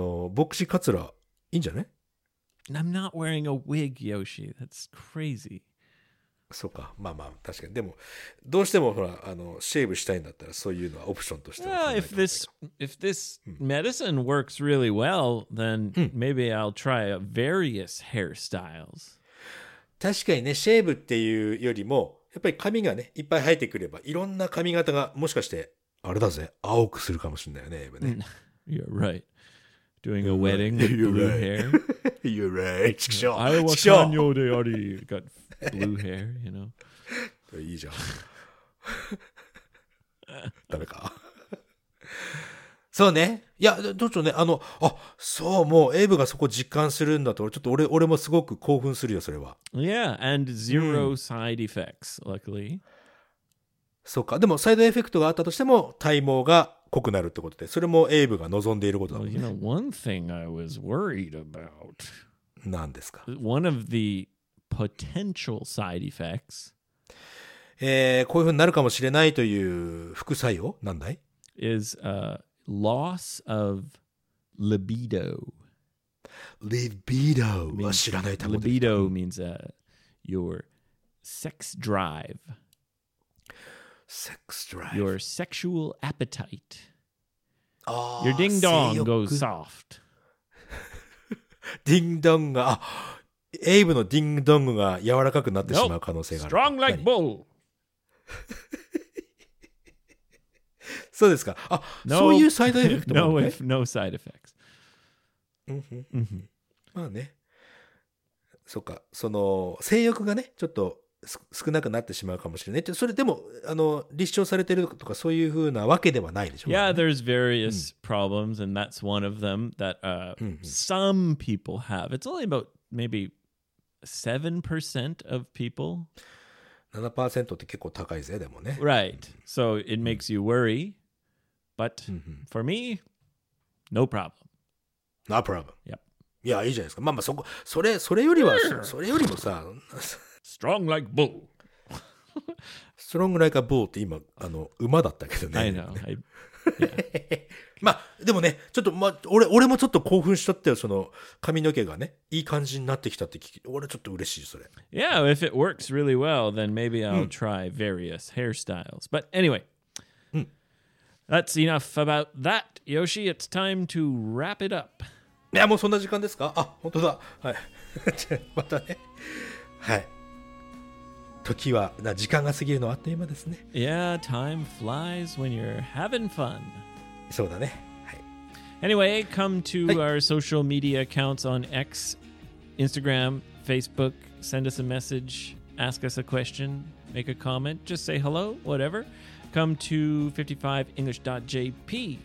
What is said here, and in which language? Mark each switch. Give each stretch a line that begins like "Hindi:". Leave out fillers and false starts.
English: I'm not wearing a wig, Yoshi. That's crazy.
Japanese: そうか。まあまあ、確かに。でも、どうしてもほら、あの、シェーブしたいんだったら、そういうのはオプションとしては考えてもらって。
English: Well, if this medicine works really well, then maybe I'll try various hairstyles.
Japanese: 確かにね、シェーブっていうよりも、やっぱり髪がね、いっぱい生えてくれば、いろんな髪型が、もしかして、あれだぜ、青くするかもしれないよね、エブね。
English: You're right. Doing a wedding with blue hair. You're right.
Japanese: チクショ
English: ー。
Japanese: あれは寛容であり、
English: got blue hair, you know.
Japanese: いいじゃん。ダメか。そうね。いや、どうしようね。あの、あ、そう、もう、エイブがそこ実感するんだと、ちょっと俺もすごく興奮するよ、それは。
English: Yeah, and zero side effects, luckily.
Japanese: そうか。でも、サイドエフェクトがあったとしても、体毛が濃くなるってことで、それもエイブが望んでいることだもんね。
English: Well, you know, one thing I was worried about.
Japanese: 何ですか?
English: One of the potential side effects.
Japanese: こういうふうになるかもしれないという副作用、なんだい?
English: Is, Loss of libido. Libido. Means,
Japanese: 知らない単語。
English: Libido means your sex drive. Sex drive. Your sexual appetite. Oh, your ding dong goes soft.
Japanese: Ding dong が、エイブのディングドングが柔らかくなってしまう可能性がある。
English: Strong like bull.
Japanese: そうですか。あ、
English: no,
Japanese: そういうサイドエフェクトも、
English: ね、no side effects.
Japanese: まあね。そうか。その性欲がね、ちょっと少なくなってしまうかもしれない。それでもあの立証されてるとかそういうふうなわけではないでしょう、ね。
English: Yeah, there's various problems, and that's one of them that some people have. It's only about maybe 7% of people.
Japanese: 7% って結構高いぜ、でもね。
English: Right. So it makes you worry. But for me, no problem. No problem. Yep.
Japanese: いや、いいじゃないですか。まあまあ、そこ、それよりは、それよりもさ。
English: Strong like bull. Strong like a bull
Japanese: って今、あの、馬だったけどね。
English: I know. Yeah.
Japanese: まあ、でもね、ちょっと、まあ、俺もちょっと興奮しちゃったよ、その髪の毛がね、いい感じになってきたって聞き、俺ちょっと嬉しい、それ。
English: Yeah, if it works really well, then maybe I'll try various hairstyles. But anyway, that's enough about that. Yoshi, it's time to wrap it up.
Japanese: いや、もうそんな時間ですか?あ、本当だ。はい。またね。はい。時は時間が過ぎるのはあっという間ですね。
English: Yeah, time flies when you're having fun.
Japanese: そうだね。
English: Anyway, come to、はい、our social media accounts on X, Instagram, Facebook. Send us a message. Ask us a question. Make a comment. Just say hello, whatever. Come to 55english.jp.